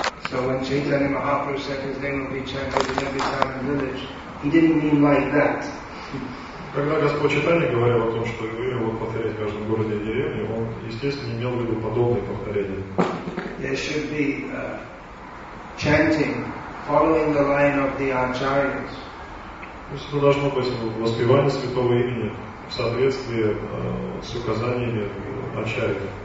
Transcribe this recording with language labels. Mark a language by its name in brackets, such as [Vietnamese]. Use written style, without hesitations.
[English] So when Chaitanya Mahaprabhu said his name will be chanted in every town and village, he didn't mean like that. [Russian] Когда Господь Читания говорил о том, что его имя будут повторять в каждом городе и деревне, он, естественно, имел в виду подобные повторения. [English] There should be chanting, following the line of the acharyas. [Russian] То есть это должно быть воспевание святого имени в соответствии с указаниями ачарьи.